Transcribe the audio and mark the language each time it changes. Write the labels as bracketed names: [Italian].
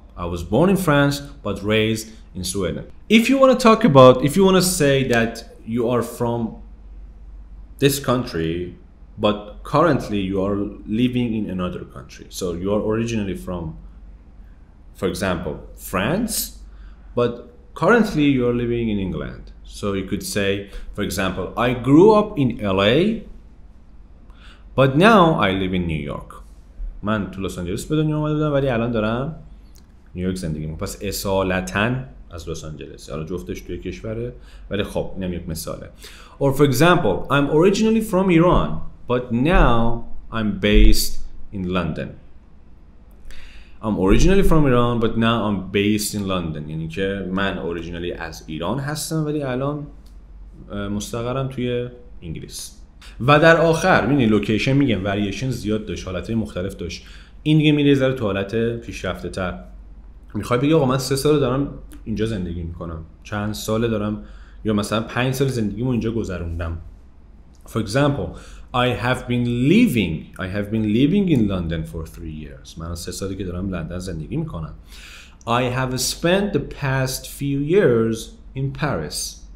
[English] I was born in France but raised in Sweden. If you want to talk about, if you want to say that you are from this country but currently you are living in another country. So you are originally from, for example, France, but currently you are living in England. So you could say, for example, I grew up in LA, but now I live in New York. [Persian] من تو لس آنجلس به دنیا اومده بودم ولی الان دارم نیویورک زندگی میکنم. پس اصالتاً از لس آنجلس. حالا جفتش توی کشوره ولی خب اینم یک مثاله. [English] Or for example, I'm originally from Iran, but now I'm based in London. I'm originally from Iran, but now I'm based in London. [Persian] یعنی که من originally از ایران هستم ولی الان مستقرم توی انگلیس. و در آخر میبینی لوکیشن میگم وریشن زیاد داشت، حالتهای مختلف داشت. این دیگه میره ذره تو حالت پیشرفته تر. میخوای بگی آقا من 3 سال دارم اینجا زندگی میکنم، چند سال دارم، یا مثلا 5 سال زندگیمو اینجا گذروندم. [English] For example, I have been living in London for 3 years. [Persian] من 3 سالی که دارم لندن زندگی میکنم. [English] I have spent the past few years in Paris.